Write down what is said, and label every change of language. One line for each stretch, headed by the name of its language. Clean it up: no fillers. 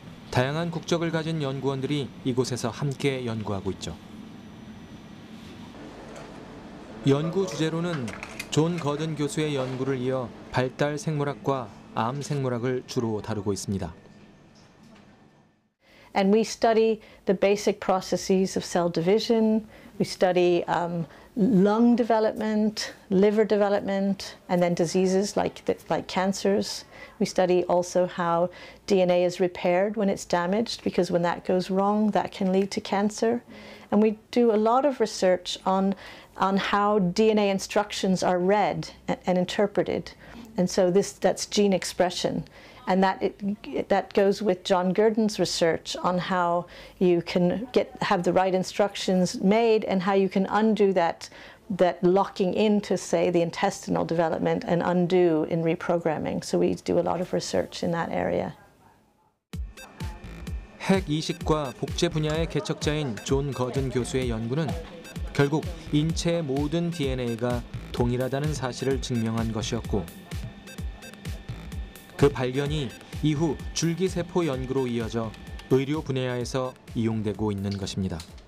Korean: 다양한 국적을 가진 연구원들이 이곳에서 함께 연구하고 있죠. 연구 주제로는 존 거든 교수의 연구를 이어 발달 생물학과 암 생물학을 주로 다루고 있습니다.
English: And we study the basic processes of cell division. We study lung development, liver development, and then diseases like cancers. We study also how DNA is repaired when it's damaged, because when that goes wrong, that can lead to cancer. And we do a lot of research on how DNA instructions are read and interpreted. And so that's gene expression. And that goes with John Gurdon's research on how you can have the right instructions made and how you can undo that locking into, say, the intestinal development and undo in reprogramming. So we do a lot of research in that area.
Korean: 핵 이식과 복제 분야의 개척자인 존 거든 교수의 연구는 결국 인체의 모든 DNA가 동일하다는 사실을 증명한 것이었고 그 발견이 이후 줄기세포 연구로 이어져 의료 분야에서 이용되고 있는 것입니다.